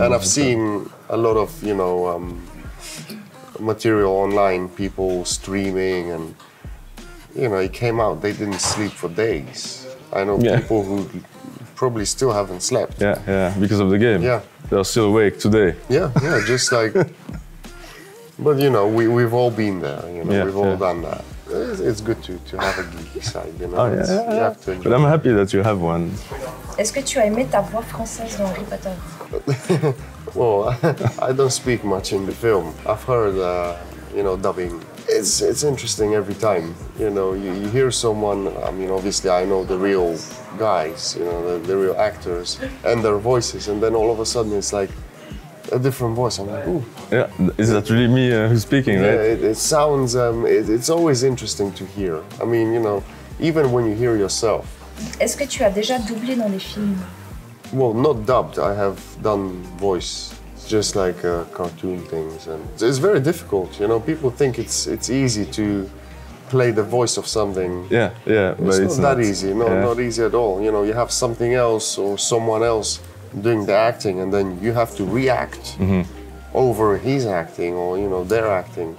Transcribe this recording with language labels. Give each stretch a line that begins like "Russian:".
English: And I've seen a lot of, you know, material online, people streaming, and you know, it came out, they didn't sleep for days. I know people who probably still haven't slept. Yeah, yeah, because of the game. Yeah. They're still awake today. Yeah, yeah, just like, but you know, we've all been there, you know, yeah, we've all done that. It's good to have a geeky side, you know. Oh, yeah, yeah, yeah. You have to, but I'm happy that you have one.
French: Est-ce que tu as aimé ta voix française dans Harry Potter?
English: Well, I don't speak much in the film. I've heard, you know, dubbing. It's interesting every time, you know, you hear someone, I mean, obviously I know the real guys, you know, the real actors and their voices, and then all of a sudden it's like a different voice. I'm like, ooh. Yeah, is that really me who's speaking, right? Yeah, it sounds, it's always interesting to hear. I mean, you know, even when you hear yourself.
French: Est-ce que tu as déjà doublé dans les films?
English: Well, not dubbed, I have done voice. Just like cartoon things, and it's very difficult. You know, people think it's easy to play the voice of something. Yeah, yeah, but it's not that easy. No, not easy at all. You know, you have something else or someone else doing the acting, and then you have to react over his acting or you know their acting.